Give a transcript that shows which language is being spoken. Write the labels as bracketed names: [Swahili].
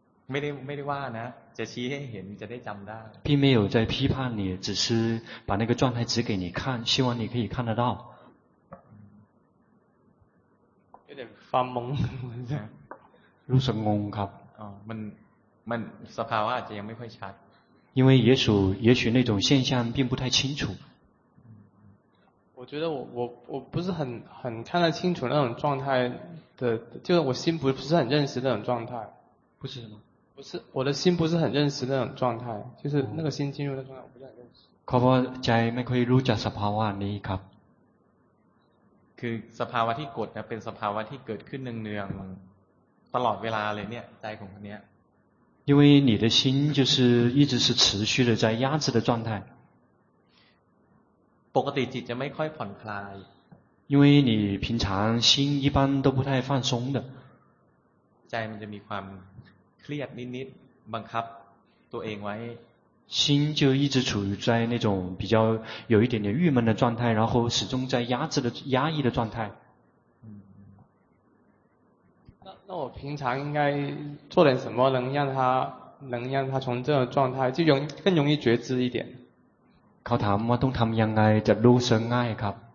[Thai] ไม่ได้ว่านะจะชี้ให้เห็นจะได้จำได้ [Chinese] 并没有在批判你只是把那个状态指给你看希望你可以看得到有点发懵 [Thai] รู้สึกงงครับ มันสภาวะอาจจะยังไม่ค่อยชัด [Chinese] 因为也许那种现象并不太清楚我觉得我不是很看得清楚那种状态的就是我心不是很认识那种状态不是什么？不是，我的心不是很认识那种状态，就是那个心进入的状态，我不是很认识。 [Thai] เขาบอกใจไม่ค่อยรู้จักสภาวะนี้ครับ คือสภาวะที่กดเนี่ยเป็นสภาวะที่เกิดขึ้นเนืองๆตลอดเวลาเลยเนี่ยใจของคนเนี้ย [Chinese] 因为你的心就是一直是持续的在压制的状态 [Thai] ปกติจิตจะไม่ค่อยผ่อนคลาย [Chinese] 因为你平常心一般都不太放松的 [Thai] ใจมันจะมีความเครียดนิดๆบังคับตัวเองไว้ [Chinese] 心就一直处于在那种比较有一点点郁闷的状态，然后始终在压制的压抑的状态。那我平常应该做点什么能让他从这种状态就更容易觉知一点？ [Thai] เขาถามว่าต้องทำยังไงจะรู้สึกง่ายครับ